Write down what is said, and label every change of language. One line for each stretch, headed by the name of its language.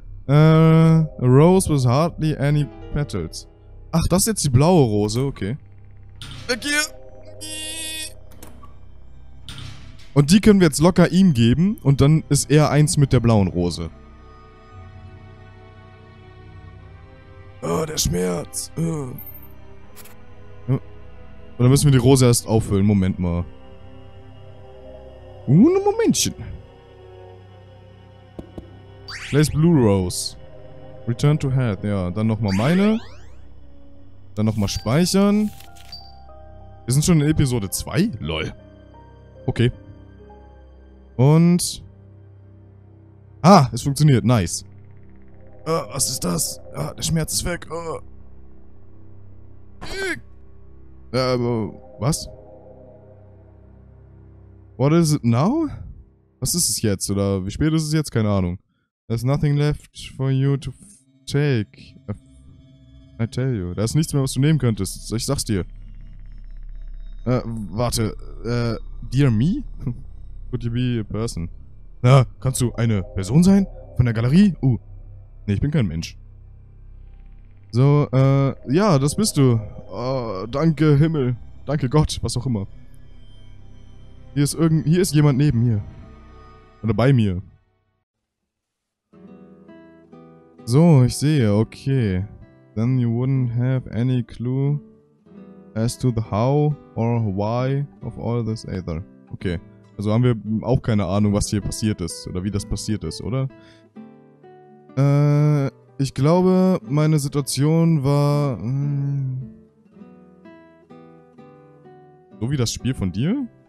English: A rose with hardly any petals.
German: Ach, das ist jetzt die blaue Rose, okay. Weg hier! Und die können wir jetzt locker ihm geben und dann ist er eins mit der blauen Rose. Oh, der Schmerz. dann müssen wir die Rose erst auffüllen. Moment mal. Ein Momentchen.
English: Place Blue Rose. Return to Head.
German: Ja, dann nochmal meine. Dann nochmal speichern. Wir sind schon in Episode 2? Lol. Okay. Und... Ah, es funktioniert. Nice. Was ist das? Ah, der Schmerz ist weg. Was?
English: What is it now?
German: Was ist es jetzt? Oder wie spät ist es jetzt? Keine Ahnung.
English: There's nothing left for you to take. I tell you.
German: Da ist nichts mehr, was du nehmen könntest. Ich sag's dir. Warte.
English: Dear me? Could you be a person?
German: Na, kannst du eine Person sein? Von der Galerie? Nee, ich bin kein Mensch. So, ja, das bist du. Danke Himmel. Danke Gott, was auch immer. Hier ist jemand neben mir. Oder bei mir. So, ich sehe, okay.
English: Then you wouldn't have any clue as to the how or why of all this either. Okay.
German: Also haben wir auch keine Ahnung, was hier passiert ist oder wie das passiert ist, oder? Ich glaube, meine Situation war... so wie das Spiel von dir?